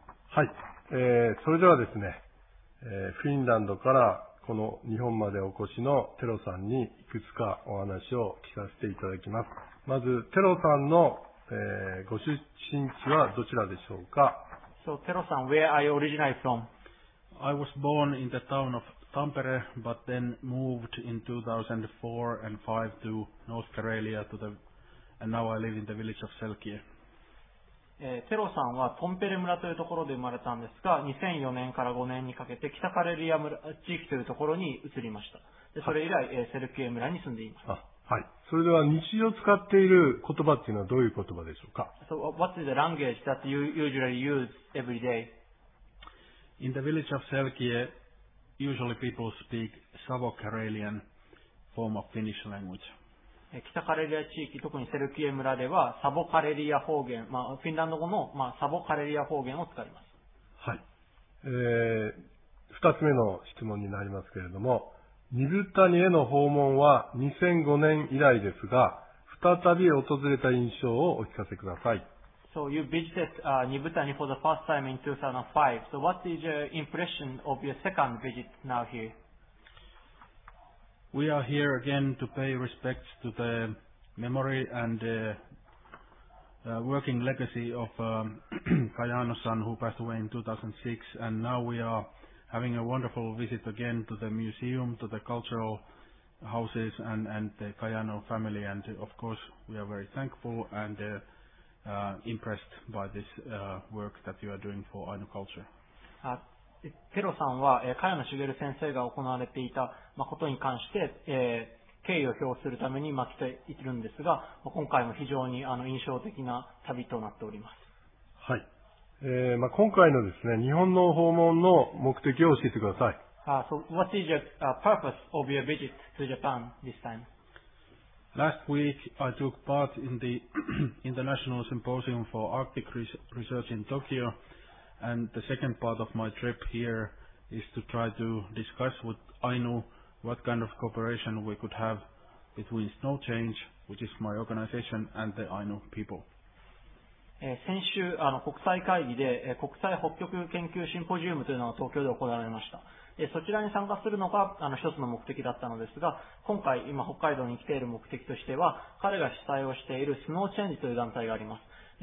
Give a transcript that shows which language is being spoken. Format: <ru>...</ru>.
<ja>はい、それではですね、フィンランドからこの日本までお越しのテロさんにいくつかお話を聞かせていただきます。まず、テロさんのご出身地はどちらでしょうか。</ja> <en>So, Tero-san, where are you originally from? I was born in the town of Tampere, but then moved in 2004 and 5 to North Karelia, and now I live in the village of Selkie.</en> <ja>Tero-san はトンペレ村というところで生まれたんですが、2004年から5年にかけて北カレリア村地域というところに移りました。で、それ以来、セルキエ村に住んでいます。はい。それでは日常使っている言葉っていうのはどういう言葉でしょうか。</ja> <en>So, what's the language that you usually use every day? In the village of Selkie, usually people speak Savo-Karelian form of Finnish language.</en> <ja>北カレリア地域、特にセルキエ村ではサボカレリア方言、まあ、フィンランド語の、まあ、サボカレリア方言を使います。はい。二つ目の質問になりますけれども、ニブタニへの訪問は2005年以来ですが、再び訪れた印象をお聞かせください。</ja> <en>So you visited Nibutani for the first time in 2005. So what is your impression of your second visit now here? We are here again to pay respects to the memory and the working legacy of Kayano-san who passed away in 2006, and now we areHaving a wonderful visit again to the museum, to the cultural houses and the Kayano family. And of course, we are very thankful and impressed by this work that you are doing for Ainu culture.</en> <ja>テロさんは、茅野茂先生が行われていた、まあ、ことに関して、敬意を表するために、まあ、来ているんですが、まあ、今回も非常に印象的な旅となっております。はい。まあ、今回のですね、日本の訪問の目的を教えてください。</ja> <en>So what is your purpose of your visit to Japan this time? Last week, I took part in the International Symposium for Arctic Research in Tokyo, and the second part of my trip here is to try to discuss with Ainu what kind of cooperation we could have between Snow Change, which is my organization, and the Ainu people.</en> <ja>先週国際会議で国際北極研究シンポジウムというのが東京で行われました。そちらに参加するのが一つの目的だったのですが、今回今北海道に来ている目的としては、彼が主催をしているスノーチェンジという団体があります。</ja>